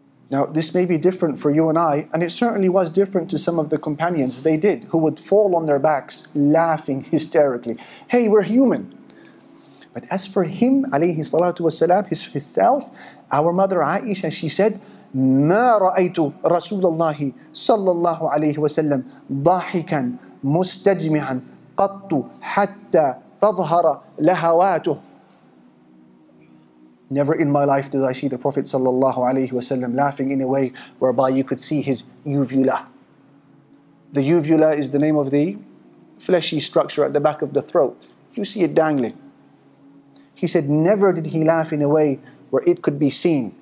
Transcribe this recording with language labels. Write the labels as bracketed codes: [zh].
[en] Now, this may be different for you and I, and it certainly was different to some of the companions. They did, who would fall on their backs laughing hysterically. Hey, we're human. But as for him, alayhi salatu wasalam, his self, our mother Aisha, she said, [ar] ما رأيت رسول الله صلى الله عليه وسلم ضاحكا مستجمعا قط حتى تظهر لهواته. [en] Never in my life did I see the Prophet sallallahu alayhi wasallam laughing in a way whereby you could see his uvula. The uvula is the name of the fleshy structure at the back of the throat. You see it dangling. He said, never did he laugh in a way where it could be seen.